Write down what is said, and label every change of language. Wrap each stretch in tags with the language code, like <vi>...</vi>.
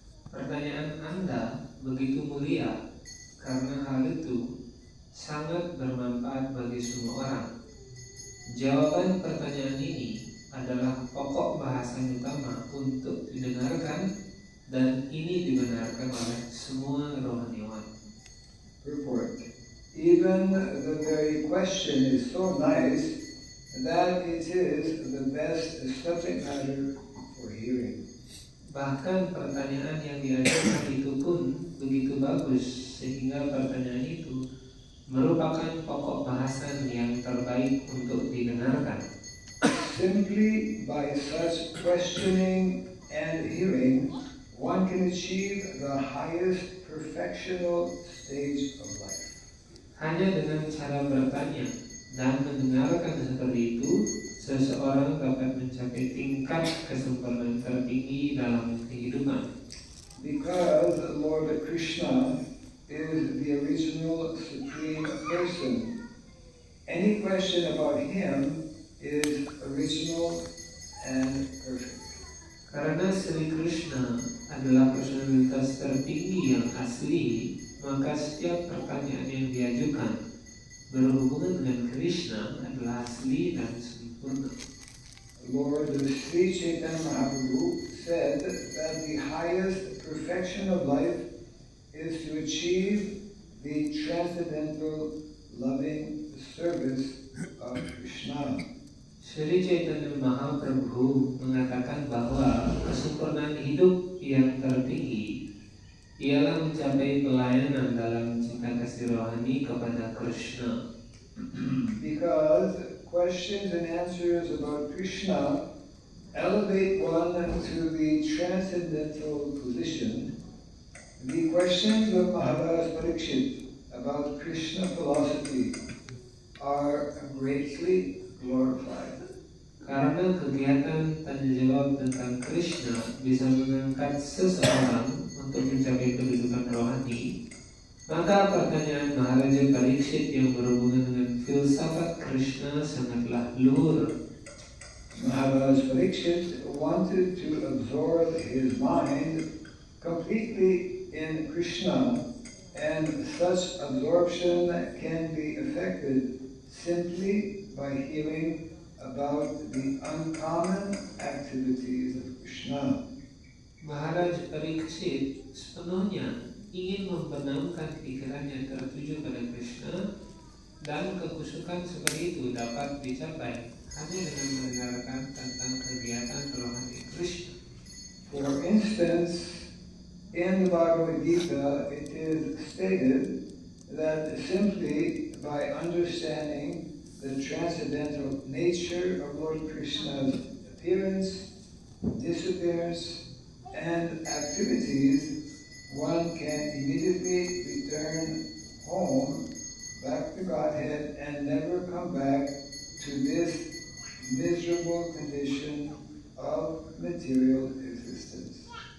<id>Pertanyaan Anda begitu mulia karena hal itu sangat bermanfaat bagi semua orang. Jawaban pertanyaan ini adalah pokok bahasan utama untuk didengarkan dan ini dibenarkan oleh semua rohaniwan.</id> <en>Report. Even the very question is so nice that it is the best subject matter for hearing.</en> <id>Bahkan pertanyaan yang diajukan itu pun begitu bagus sehingga pertanyaan itu merupakan pokok bahasan yang terbaik untuk didengarkan.</id> <en>Simply by such questioning and hearing, one can achieve the highest perfectional stage of life.</en> <id>Hanya dengan cara bertanya dan mendengarkan seperti itu, seseorang dapat mencapai tingkat kesempurnaan tertinggi dalam kehidupan.</id> <en>Because Lord Krishna is the original supreme person, any question about him is original and perfect.</en> <id>Karena Sri Krishna adalah personalitas tertinggi yang asli, maka setiap pertanyaan yang diajukan berhubungan dengan Krishna adalah asli dan sempurna.</id> <en>Lord Sri Chaitanya Mahaprabhu said that the highest perfection of life is to achieve the transcendental loving service of Krishna.</en> <id>Sri Chaitanya Mahaprabhu mengatakan bahwa kesempurnaan hidup yang tertinggi ialah mencapai pelayanan dalam cinta kasih rohani kepada Krishna.</id> <en>Because questions and answers about Krishna elevate one to the transcendental position, the questions of Maharaj Parikshit about Krishna philosophy are greatly glorified.</en> <id>Karena kegiatan tanya jawab tentang Krishna bisa mengangkat seseorang untuk mencapai kedudukan rohani, maka pertanyaan Maharaja Parikshit yang berhubungan dengan filsafat Krishna sangatlah luhur.</id> <en>Maharaja Parikshit wanted to absorb his mind completely in Krishna, and such absorption can be effected simply by hearing about the uncommon activities of Krishna.</en> <id>Maharaj Parikshit sepenuhnya ingin membenamkan pikirannya tertuju pada Krishna, dan kekusukan seperti itu dapat dicapai hanya dengan mendengarkan tentang kegiatan rohani Krishna.</id> <en>For instance, in the Bhagavad Gita it is stated that simply by understanding the transcendental nature of Lord Krishna's appearance, disappearance, and activities, one can immediately return home back to Godhead and never come back to this miserable condition of material existence.</en>